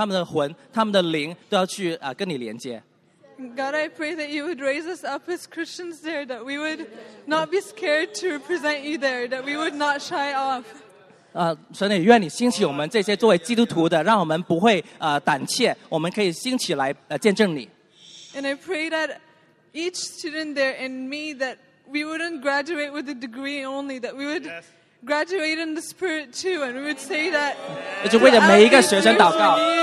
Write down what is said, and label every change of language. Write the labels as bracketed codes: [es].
[zh] 愿里面的学生不是只是有一个好的脑袋，他们的魂，他们的灵都要去跟你连接。 [en] God, I pray that you would raise us up as Christians there, that we would not be scared to represent you there, that we would not shy off. [zh] 神也愿你兴起我们这些作为基督徒的，让我们不会胆怯，我们可以兴起来见证你。 [en] And I pray that each student there and me, that we wouldn't graduate with a degree only, that we would graduate in the spirit too, and we would say that [zh] 就为了每一个学生祷告。